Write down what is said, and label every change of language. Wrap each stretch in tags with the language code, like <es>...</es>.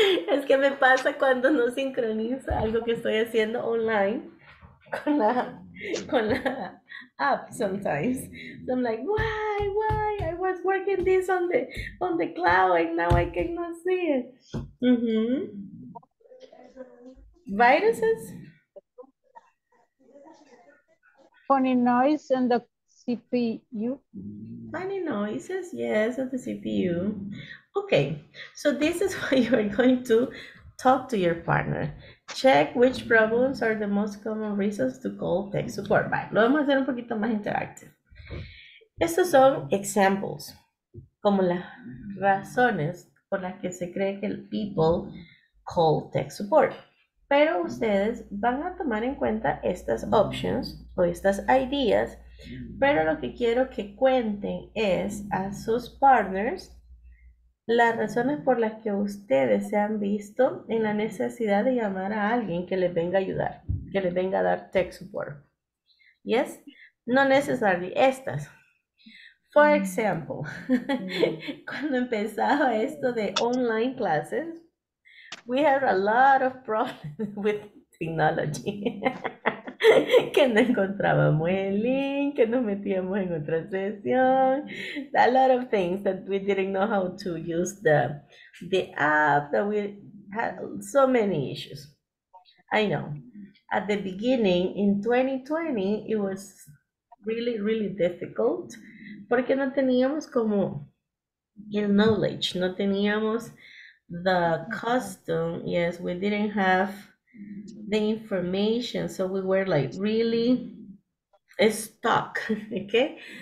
<es>Es que me pasa cuando no sincroniza algo que estoy haciendo online con la app sometimes.</es> <en>So I'm like, why? I was working this on the cloud and now I cannot see it. Viruses. Funny noise in the CPU. Funny noises, yes, of the CPU. Okay, so this is why you are going to talk to your partner. Check which problems are the most common reasons to call tech support. Bye.</en> <es>Lo vamos a hacer un poquito más interactive. Estos son examples, como las razones por las que se cree que</es> <en>people call tech support.</en> <es>Pero ustedes van a tomar en cuenta estas options o estas ideas, pero lo que quiero que cuenten es a sus partners las razones por las que ustedes se han visto en la necesidad de llamar a alguien que les venga a ayudar, que les venga a dar tech support.</es> <en>¿Yes?</en> <es>No necesariamente estas.</es> <en>For example,</en> <es>cuando empezaba esto de</es> <en>online classes, we had a lot of problems with technology.</en> <es>Que no encontrábamos el link, que nos metíamos en otra sesión.</es> <en>A lot of things that we didn't know how to use the app, that we had so many issues. I know. At the beginning, in 2020, it was really, really difficult</en> <es>porque no teníamos como el knowledge, no teníamos</es> <en>the custom, yes, we didn't have the information, so we were like really stuck, okay?</en>